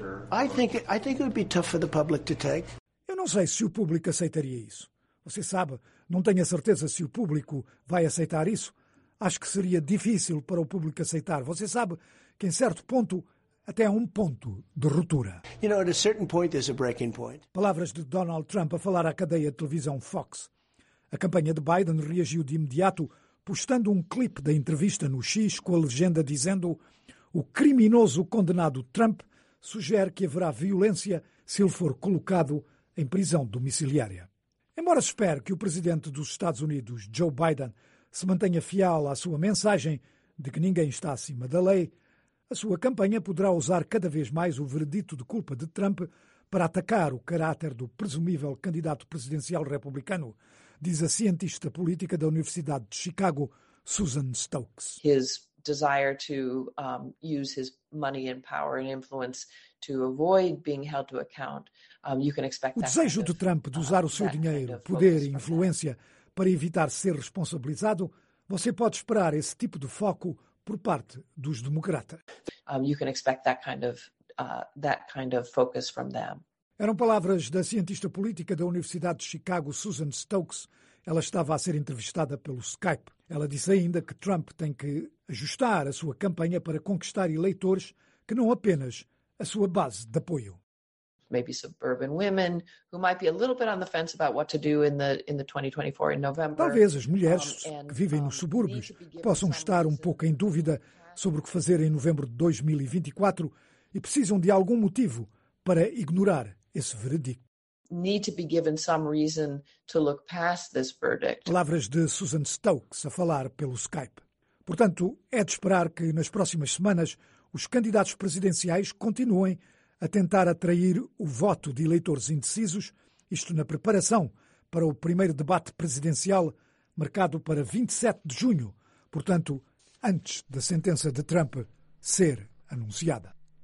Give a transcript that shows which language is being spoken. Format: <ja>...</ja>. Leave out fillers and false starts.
<en>I think it would be tough for the public to take.</en> <pt>Eu não sei se o público aceitaria isso. Você sabe, não tenho a certeza se o público vai aceitar isso. Acho que seria difícil para o público aceitar. Você sabe que em certo ponto, até há um ponto de ruptura.</pt> <en>You know, at a certain point, there's a breaking point.</en> <pt>Palavras de Donald Trump a falar à cadeia de televisão Fox. A campanha de Biden reagiu de imediato, postando um clipe da entrevista no X com a legenda dizendo: o criminoso condenado Trump sugere que haverá violência se ele for colocado em prisão domiciliária. Embora se espere que o presidente dos Estados Unidos, Joe Biden, se mantenha fiel à sua mensagem de que ninguém está acima da lei, a sua campanha poderá usar cada vez mais o veredito de culpa de Trump para atacar o caráter do presumível candidato presidencial republicano, diz a cientista política da Universidade de Chicago, Susan Stokes.</pt> <en>His desire to use his money and power and influence to avoid being held to account. You can expect that.</en> <pt>O desejo de Trump de usar o seu dinheiro, poder e influência para evitar ser responsabilizado, você pode esperar esse tipo de foco por parte dos democratas.</pt> <en>You can expect that kind of focus from them.</en> <pt>Eram palavras da cientista política da Universidade de Chicago, Susan Stokes. Ela estava a ser entrevistada pelo Skype. Ela disse ainda que Trump tem que ajustar a sua campanha para conquistar eleitores que não apenas a sua base de apoio.</pt> <en>Maybe suburban women who might be a little bit on the fence about what to do in the 2024 in November.</en> <pt>Talvez as mulheres que vivem nos subúrbios possam estar um pouco em dúvida sobre o que fazer em novembro de 2024 e precisam de algum motivo para ignorar esse veredicto.</pt> <en>Need to be given some reason to look past this verdict.</en> <pt>Palavras de Susan Stokes a falar pelo Skype. Portanto, é de esperar que nas próximas semanas os candidatos presidenciais continuem a tentar atrair o voto de eleitores indecisos, isto na preparação para o primeiro debate presidencial marcado para 27 de junho, portanto, antes da sentença de Trump ser anunciada.</pt>